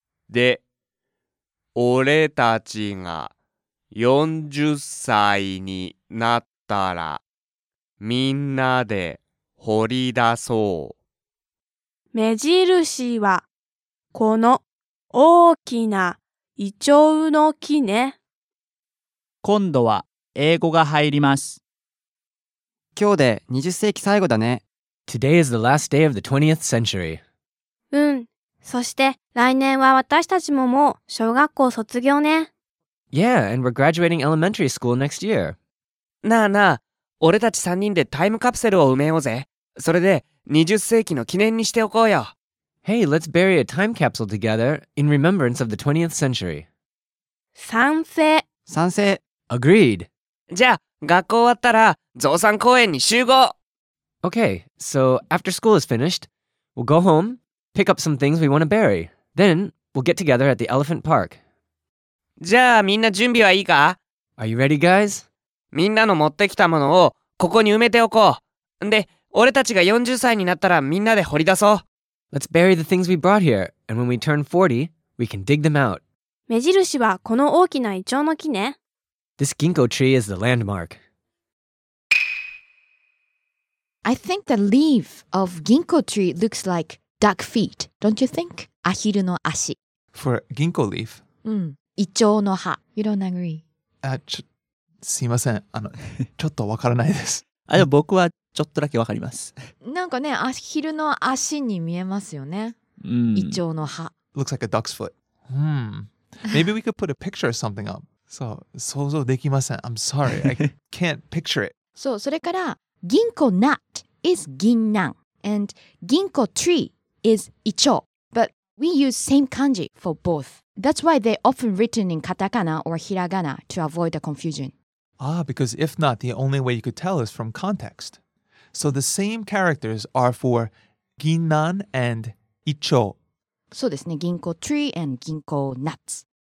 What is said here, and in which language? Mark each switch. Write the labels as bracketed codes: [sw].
[ja] で、俺たちが40歳になったらみんなで掘り出そう。目印はこの大きなイチョウの木ね。今度は英語が入ります。今日で20世紀最後だね。 [en] Today is the last day of the 20th century. [ja] うん。そして来年は私たちももう小学校卒業ね。 [en] Yeah, and we're graduating elementary school next year. [ja] なあなあ、俺たち3人でタイムカプセルを埋めようぜ。それで20世紀の記念にしておこうよ。 [en] Hey, let's bury a time capsule together in remembrance of the 20th century. [ja] 賛成。賛成。 [en] Agreed. [ja] じゃあ、学校終わったら、増産公園に集合。 [en] Okay, so after school is finished, we'll go home, pick up some things we want to bury. Then, we'll get together at the Elephant Park. [ja] じゃあ、みんな準備はいいか? [en] Are you ready, guys? [ja] みんなの持ってきたものをここに埋めておこう。で、俺たちが40歳になったらみんなで掘り出そう。 [en] Let's bury the things we brought here, and when we turn 40, we can dig them out. [ja] 目印はこの大きなイチョウの木ね。 [en] This ginkgo tree is the landmark. I think the leaf of ginkgo tree looks like duck feet, don't you think? [ja] Ahiru no ashi. [en] For ginkgo leaf? [ja] Ichou no ha. [en] You don't agree? [ja] すいません。ちょっとわからないです。あ、でも僕はちょっとだけわかります。なんかね、アヒルの足に見えますよね。イチョウの葉。 [en] Looks like a duck's foot. Maybe we could put a picture of something up. [ja] そう、想像できません。 [en] I'm sorry. I can't picture it. そう、それから、銀行 nut is 銀杏 and 銀行 tree is イチョウ。 But we use same kanji for both. That's why they're often written in katakana or hiragana to avoid the confusion. Ah, because if not, the only way you could tell is from context. So the same characters are for ginnan and icho. [ja] そうですね、 [en] ginkgo tree and ginkgo nuts.